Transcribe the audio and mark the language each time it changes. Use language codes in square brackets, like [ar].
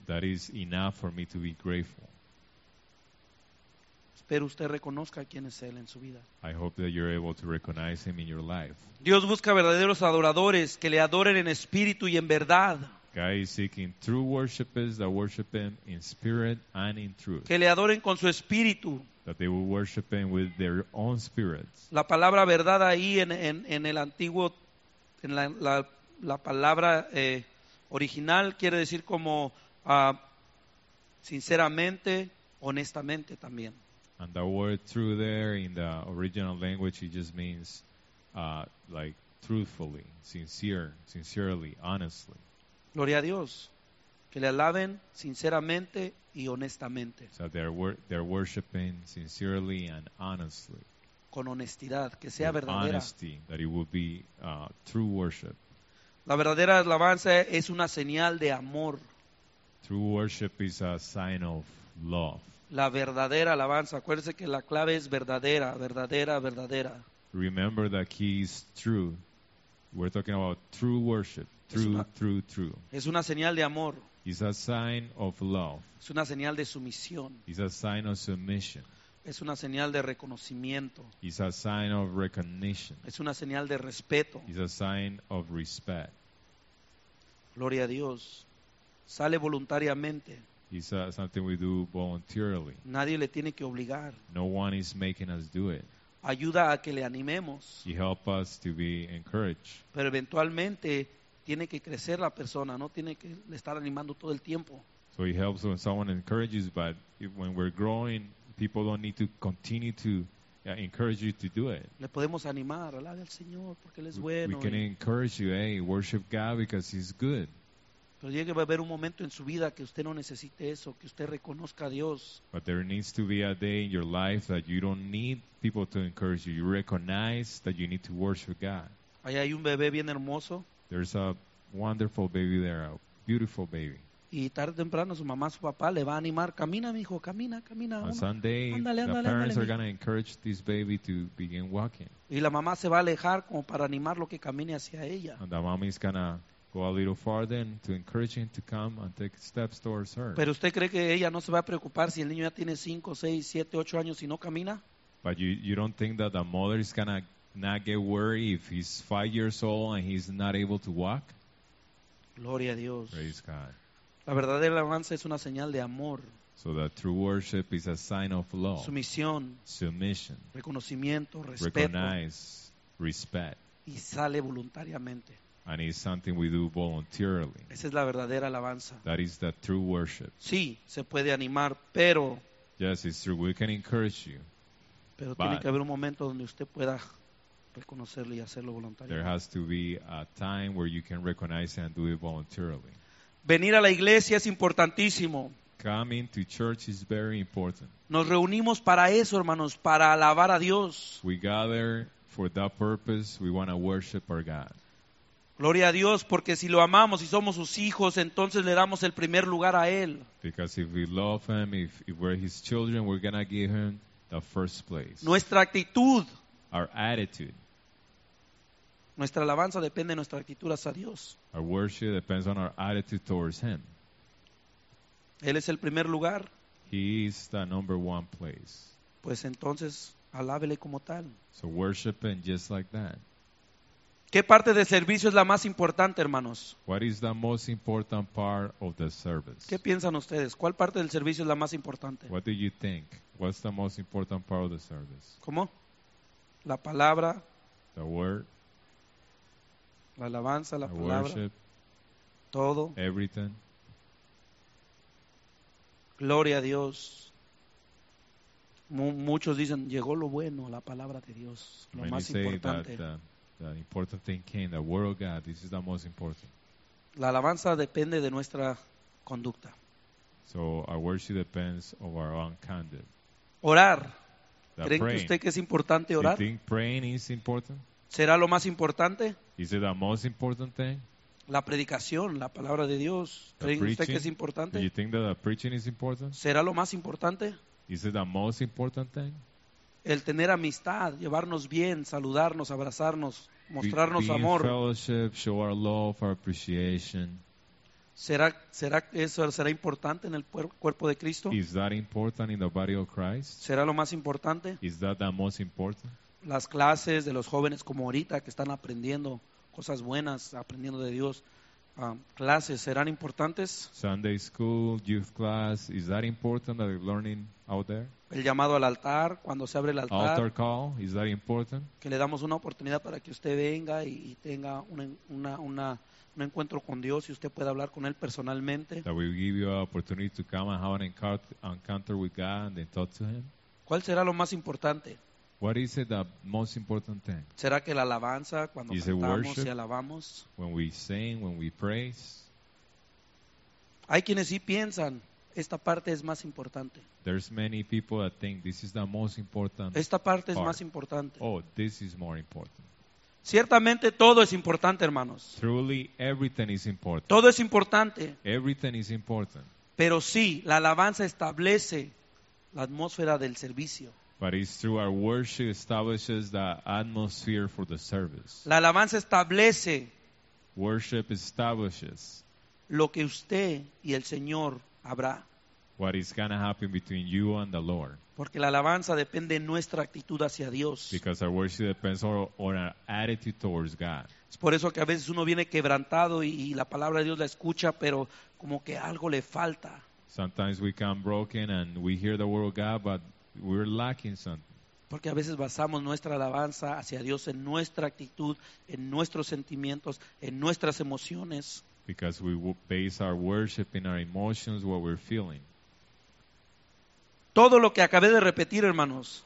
[en] That is enough for me to be grateful. [es] Espero usted reconozca quién es Él en su vida. [en] I hope that you're able to recognize Him in your life. [es] Dios busca verdaderos adoradores que le adoren en espíritu y en verdad. [en] God is seeking true worshipers that worship Him in spirit and in truth. [es] Que le adoren con su espíritu. [en] That they will worship Him with their own spirits. [es] La palabra verdad ahí en el antiguo, en la palabra original quiere decir como sinceramente, honestamente también. [en] And the word true there in the original language, it just means like truthfully, sincerely, honestly. [es] Gloria a Dios. Que le alaben sinceramente y honestamente. [en] So they're worshiping sincerely and honestly. [es] Con honestidad, que sea verdadera. [en] Honesty, that it will be true worship. [es] La verdadera alabanza es una señal de amor. [en] True worship is a sign of love. [es] La verdadera alabanza. Acuérdese que la clave es verdadera, verdadera, verdadera. [en] Remember that key is true. We're talking about true worship. True. [es] Es una señal de amor. [en] It's a sign of love. [es] Es una señal de sumisión. [en] It's a sign of submission. [es] Es una señal de reconocimiento. [en] It's a sign of recognition. [es] Es una señal de respeto. [en] It's a sign of respect. [es] Gloria a Dios. Sale voluntariamente. [en] It's something we do voluntarily. [es] Nadie le tiene que obligar. [en] No one is making us do it. [es] Ayuda a que le animemos. [en] It helps us to be encouraged. [es] Pero eventualmente tiene que crecer la persona, no tiene que estar animando todo el tiempo. [en] So it helps when someone encourages, but if, when we're growing, people don't need to continue to encourage you to do it. [es] Le podemos animar, alabe al Señor porque él es bueno. [en] We can encourage you, hey, worship God because he's good. [es] Pero llegue a haber un momento en su vida que usted no necesite eso, que usted reconozca a Dios. [en] But there needs to be a day in your life that you don't need people to encourage you. You recognize that you need to worship God. [es] Ahí hay un bebé bien hermoso. [en] There's a wonderful baby there, a beautiful baby. [es] Y tarde o temprano su mamá, su papá le va a animar. Camina, mijo, camina, camina. [en] On Sunday, the parents are going to encourage this baby to begin walking. [es] Y la mamá se va a alejar como para animarlo que camine hacia ella. [en] And the mommy is going to go a little farther to encourage him to come and take steps towards her. [es] Pero usted cree que ella no se va a preocupar si el niño ya tiene 5, 6, 7, 8 años y no camina? [en] But you don't think that the mother is going to not get worried if he's 5 years old and he's not able to walk? [es] Gloria a Dios. [en] Praise God. [es] La verdadera alabanza es una señal de amor. [en] So the true worship is a sign of love. [es] Sumisión. [en] Submission. [es] Reconocimiento, respeto. [en] Recognize, respect. [es] Y sale voluntariamente. [en] And it's something we do voluntarily. [es] Esa es la verdadera alabanza. [en] That is the true worship. [es] Sí, se puede animar, pero... [en] Yes, it's true. We can encourage you. [es] Pero tiene que haber un momento donde usted pueda reconocerlo y hacerlo voluntariamente. [en] There has to be a time where you can recognize and do it voluntarily. [es] Venir a la iglesia es importantísimo. [en] Coming to church is very important. [es] Nos reunimos para eso, hermanos, para alabar a Dios. [en] We gather for that purpose. We want to worship our God. [es] Gloria a Dios, porque si lo amamos y somos sus hijos, entonces le damos el primer lugar a Él. [en] Because if we love Him, if we're His children, we're going to give Him the first place. [es] Nuestra actitud. [en] Our attitude. [es] Nuestra alabanza depende de nuestra actitud hacia Dios. [en] Our worship depends on our attitude towards Him. [es] Él es el primer lugar. [en] He is the number one place. [es] Pues entonces, alábele como tal. [en] So worship Him just like that. [es] ¿Qué parte del servicio es la más importante, hermanos? [en] What is the most important part of the service? [es] ¿Qué piensan ustedes? ¿Cuál parte del servicio es la más importante? [en] What do you think? What's the most important part of the service? [es] ¿Cómo? La palabra. [en] The word. [es] La alabanza, la palabra. [en] Worship. [es] Todo. [en] Everything. [es] Gloria a Dios. Muchos dicen, llegó lo bueno, la palabra de Dios. Lo [en] Many [es] más [en] say [es] importante. [en] That, the important thing came, the word of God. This is the most important. [es] La alabanza depende de nuestra conducta. [en] So our worship depends of our own conduct. [es] Orar. [en] The [es] ¿Creen [en] praying. [es] Usted que es importante orar? [en] You think praying is important? [es] ¿Será lo más importante? [en] Is it the most important thing? [es] La predicación, la palabra de Dios. ¿Creen usted que es importante? [en] Do you think that the preaching is important? [es] ¿Será lo más importante? [en] Is it the most important thing? [es] El tener amistad, llevarnos bien, saludarnos, abrazarnos, mostrarnos amor. [en] Fellowship, show our love, our appreciation. [es] ¿Será eso será importante en el cuerpo de Cristo? [en] Is that important in the body of Christ? [es] ¿Será lo más importante? [en] Is that the most important? [es] Las clases de los jóvenes como ahorita que están aprendiendo cosas buenas, aprendiendo de Dios. Clases, ¿serán importantes? [en] Sunday school, youth class, is that important that they're learning out there? [es] El llamado al altar, cuando se abre el altar. [en] Altar call, is that important? [es] Que le damos una oportunidad para que usted venga y tenga un encuentro con Dios y usted pueda hablar con Él personalmente. [en] That we give you an opportunity to come and have an encounter with God and then talk to Him. [es] ¿Cuál será lo más importante? [en] What is it the most important thing? [es] ¿Será que la alabanza cuando [en] is [es] cantamos y alabamos? [en] When we sing, when we praise. [es] Hay quienes sí piensan esta parte es más importante. [en] There's many people that think this is the most important. [es] Esta parte [en] part. [es] Es más importante. [en] Oh, this is more important. [es] Ciertamente todo es importante, hermanos. [en] Truly everything is important. [es] Todo es importante. [en] Everything is important. [es] Pero sí, la alabanza establece la atmósfera del servicio. [en] But it's through our worship establishes the atmosphere for the service. [es] La alabanza establece. [en] Worship establishes. [es] Lo que usted y el Señor habrá. [en] What is going to happen between you and the Lord. [es] Porque la alabanza depende de nuestra actitud hacia Dios. [en] Because our worship depends on our attitude towards God. [es] Es por eso que a veces uno viene quebrantado y la palabra de Dios la escucha, pero como que algo le falta. [en] Sometimes we come broken and we hear the word of God, but we're lacking something. [es] Porque a veces basamos nuestra alabanza hacia Dios en nuestra actitud, en nuestros sentimientos, en nuestras emociones. [en] Because we base our worship in our emotions, what we're feeling. [es] Todo lo que acabé de repetir, hermanos,